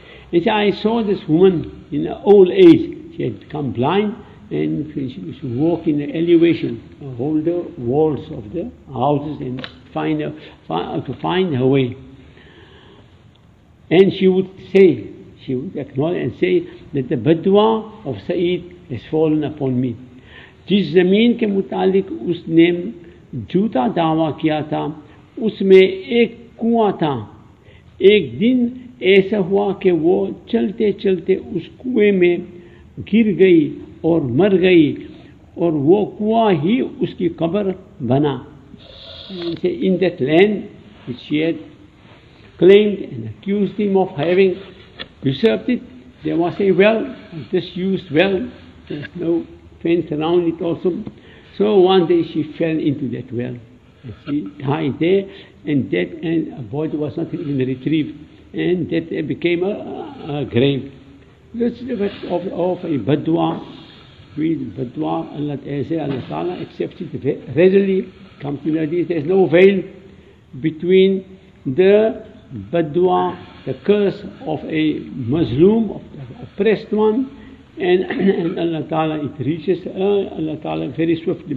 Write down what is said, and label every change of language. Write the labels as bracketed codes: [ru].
[en] He said, I saw this woman in an old age. She had become blind and she walk in the elevation, hold the walls of the houses and find her way. And she would acknowledge and say that the badwa of Sa'id has fallen upon me. [ur] جس زمین کے متعلق اس نے جھوٹا دعویٰ کیا تھا اس میں ایک کنواں تھا۔ ایک دن ایسا ہوا کہ وہ چلتے چلتے اس کنویں میں گر گئی اور مر گئی، اور وہ کنواں ہی اس کی قبر بنا۔ [en] In that land which she had claimed and accused him of having reserved it, there was a well, this used well, there's no fence around it also. So one day she fell into that well, she died there and that, and a body was not even retrieved, and that became a grave. This is the fact of a badwa. With badwa, Allah Ta'ala accepts it readily, comes to the hadith. There's no veil between the badwa, the curse of a mazloom, of the oppressed one, and Allah Ta'ala, it reaches Allah Ta'ala very swiftly.